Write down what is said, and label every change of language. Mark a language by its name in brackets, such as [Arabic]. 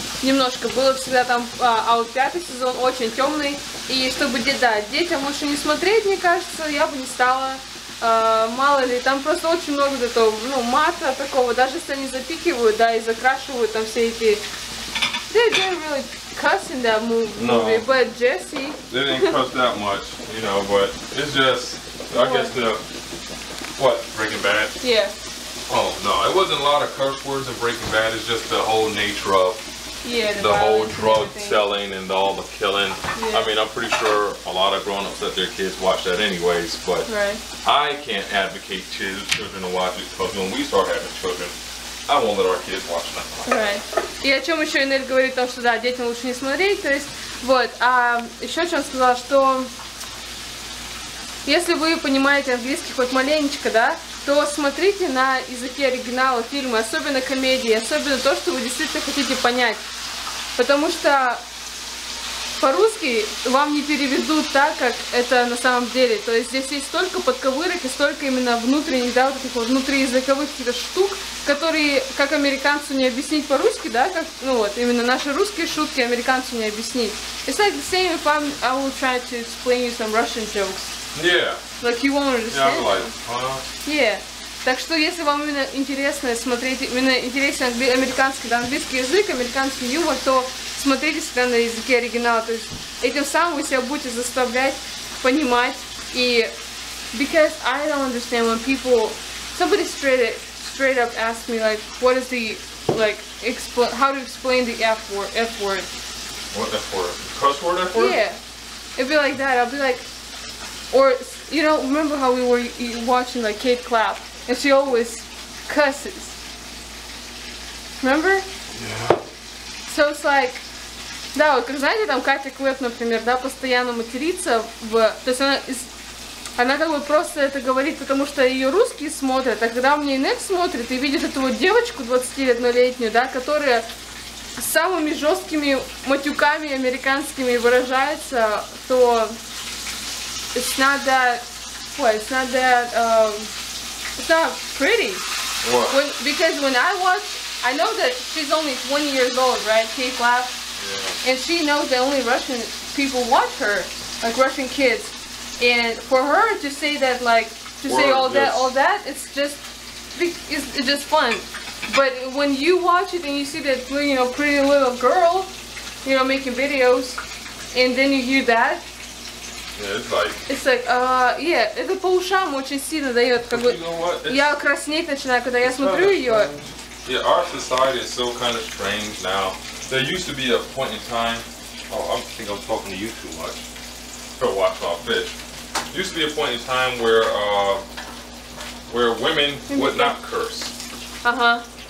[Russian] Немножко было всегда там, а вот пятый сезон очень темный. И чтобы детям лучше не смотреть, мне кажется, я бы не стала. Мало ли, там просто очень много этого, ну, мата такого, даже если они запикивают, да, и закрашивают там все эти [English] They didn't really cuss in that movie, no. But Jesse. They didn't cuss that much, you know, but it's just, I guess the, what, Breaking Bad? Yeah. Oh, no, it wasn't a lot of curse words in Breaking Bad, it's just the whole nature of the whole drug selling and all the killing. Yeah. I mean, I'm pretty sure a lot of grown-ups let their kids watch that anyways, but right. I can't advocate to the children to watch it, because when we start having children, I won't let our kids watch that. Right. [Russian] И о чем еще Энель говорит, то, что да, детям лучше не смотреть, то есть, вот, а еще о чем сказала, что если вы понимаете английский хоть маленечко, да, то смотрите на языке оригинала фильмы, особенно комедии, особенно то, что вы действительно хотите понять. Потому что по-русски вам не переведут так, как это на самом деле. То есть здесь есть столько подковырок и столько именно внутренних, да, вот таких вот внутриязыковых каких-то штук, которые как американцу не объяснить по-русски, да, как, ну вот, именно наши русские шутки американцу не объяснить. [English] It's like the same if I'm, I will try to explain you some Russian jokes. Yeah. Like you won't understand. Yeah, I'm like, Yeah. [Russian] Так что если вам именно интересно смотреть, именно интересен американский, да, английский язык, американский юмор, то смотрите всегда на языке оригинала. То есть этим самым вы себя будете заставлять понимать. И [English] because I don't understand when people somebody straight up asked me like what is the like explain how to explain the F word What F word? Cuss word F word? Yeah. It'd be like that. I'll be like Or, you know, remember how we were watching, like, Kate Clapp, and she always cusses. Remember? Yeah. So it's like, [Russian] да, вот, как знаете, там, Катя Клэп, например, да, постоянно матерится в... То есть она как бы просто это говорит, потому что ее русские смотрят, а когда у меня Инет смотрит и видит эту вот девочку 21-летнюю, да, которая самыми жесткими матюками американскими выражается, то... [English] It's not that, what, it's not that, it's not pretty. What? When, because when I watch, I know that she's only 20 years old, right, Kate Clapp? Yeah. And she knows that only Russian people watch her, like Russian kids. And for her to say that, like, to say all that, all that, it's just fun. But when you watch it and you see that, you know, pretty little girl, you know, making videos, and then you hear that, Yeah, it's like, yeah, [Russian] это по ушам очень сильно дает, как бы, [English] you know [Russian] я краснеть начинаю, когда я смотрю ее. [English] Yeah, our society is so kind of strange now. There used to be a point in time, oh, I think I'm talking to you too much. Go watch my fish. Used to be a point in time where women would not curse. Uh-huh.